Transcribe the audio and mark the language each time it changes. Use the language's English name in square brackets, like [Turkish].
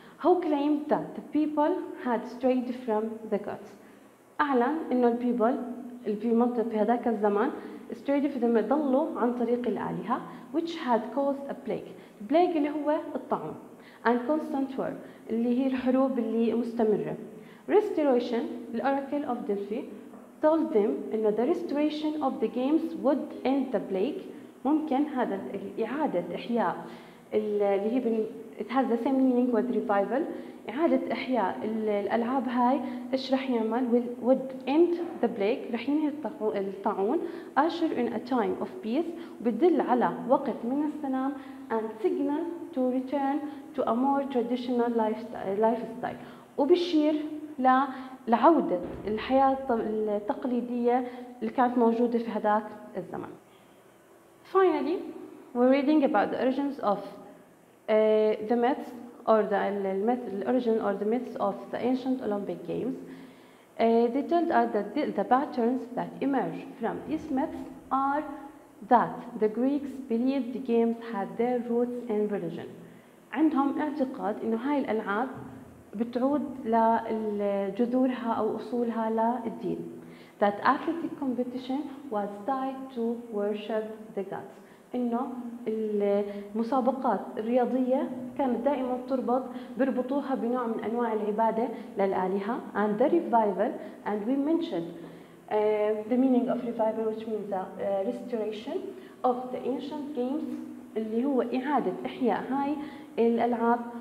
[English] How claimed that the people had strayed from the gods. [Arabic] أعلن إنه [English] people [Arabic] في منطقة في هذاك الزمان [English] strayed from [Arabic] ضلوا عن طريق الآلهة [English] which had caused a plague. [Arabic] Plague اللي هو الطعام [English] and constant war [Arabic] اللي هي الحروب اللي مستمرة. [English] Restoration, the Oracle of Delphi told them that the restoration of the games would end the plague. [Arabic] ممكن هذا إعادة إحياء اللي هي [English] it has the same meaning with revival, [Arabic] إعادة إحياء الألعاب هاي. إيش رح يعمل؟ [English] would end the plague, [Arabic] رح ينهي الطاعون. [English] usher in a time of peace, [Arabic] بدل على وقت من السلام. [English] and signal to return to a more traditional lifestyle, [Arabic] وبشير لعودة الحياة التقليدية اللي كانت موجودة في هذاك الزمن. [English] Finally, we're reading about the origins of the myths or the origin or the myths of the ancient Olympic Games. They told us that the patterns that emerge from these myths are that the Greeks believed the games had their roots in religion. [Arabic] عندهم اعتقاد إنه هاي الألعاب بتعود لجذورها أو أصولها للدين. [English] That athletic competition was tied to worship the gods. [Arabic] إنه المسابقات الرياضية كانت دائما تربط بربطوها بنوع من أنواع العبادة للآلهة. [English] And the revival, and we mentioned the meaning of revival, which means the restoration of the ancient games, [Arabic] اللي هو إعادة إحياء هاي الألعاب.